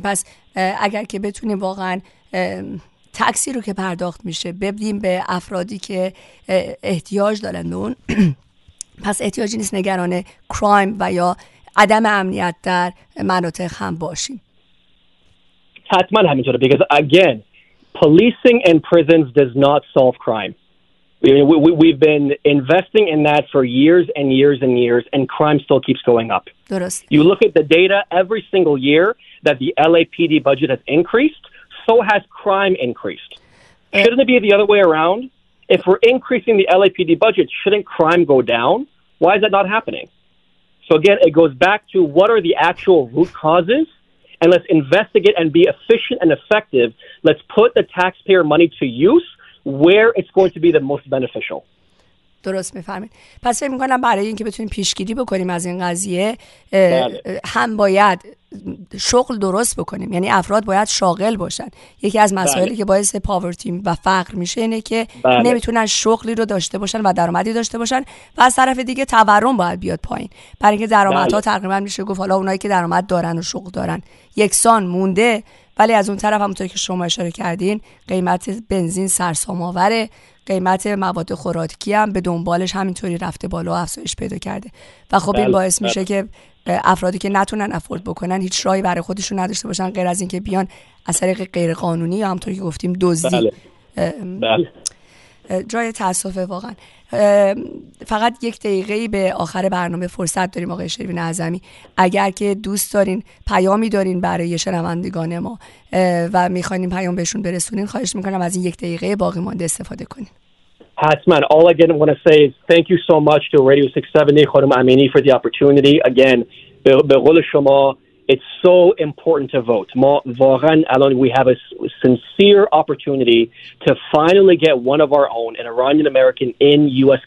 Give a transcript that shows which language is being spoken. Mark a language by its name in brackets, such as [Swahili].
[Persian] پس اگر که بتونیم واقعا تاکسی رو که پرداخت میشه بدیم به افرادی که احتیاج دارن اون، پس احتیاجی نیست نگران کرایم و یا عدم امنیت در مناطق هم باشیم. حتما همینطوره. [English] Because again, policing and prisons does not solve crime. We've been investing in that for years and years and years, and crime still keeps going up. You look at the data every single year that the LAPD budget has increased, so has crime increased. Shouldn't it be the other way around? If we're increasing the LAPD budget, shouldn't crime go down? Why is that not happening? So again, it goes back to what are the actual root causes, and let's investigate and be efficient and effective. Let's put the taxpayer money to use where it's going to be the most beneficial. [Persian] درست میفهمید. پس فکر میکنم برای اینکه بتونیم پیشگیری بکنیم از این قضیه هم باید شغل درست بکنیم، یعنی افراد باید شاغل باشن. یکی از مسائلی که باعث پاورتی و فقر میشه اینه که نمیتونن شغلی رو داشته باشن و درآمدی داشته باشن، و از طرف دیگه تورم باید بیاد پایین. برای اینکه درآمدها تقریبا میشه گفت حالا اونایی که درآمد دارن و شغل دارن یکسان مونده، ولی از اون طرف همونطور که شما اشاره کردین قیمت بنزین سرسام‌آوره، قیمت مواد خوراکی هم به دنبالش همینطوری رفته بالا و افزایش پیدا کرده، و خب این باعث میشه که افرادی که نتونن افورد بکنن هیچ راهی برای خودشون نداشته باشن غیر از اینکه بیان از طریق غیر قانونی یا همونطور که گفتیم دزدی. جای تاسفه واقعا. فقط یک دقیقه به آخر برنامه فرصت داریم آقای شروین اعظمی، اگر که دوست دارین پیامی دارین برای شنوندگان ما و میخواین پیام بهشون برسونین، خواهش میکنم از این یک دقیقه باقی مانده استفاده کنین. حتما. [English] All again I want to say is thank you so much to Radio 670 خانم امینی for the opportunity. Again, [Persian] به قول شما [English] it's so important to vote. Ma Vaughan Alon, we have a sincere opportunity to finally get one of our own, an Iranian American, in U.S.